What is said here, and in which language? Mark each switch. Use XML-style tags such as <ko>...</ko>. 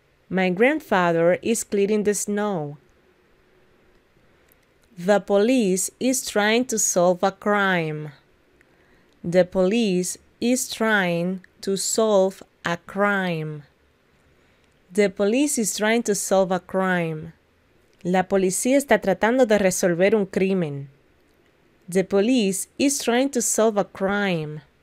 <en>My grandfather is clearing the snow. The police is trying to solve a crime. The police is trying to solve a crime. The police is trying to solve a crime.</en> <es>La policía está tratando de resolver un crimen.</es> <en>The police is trying to solve a crime.</en>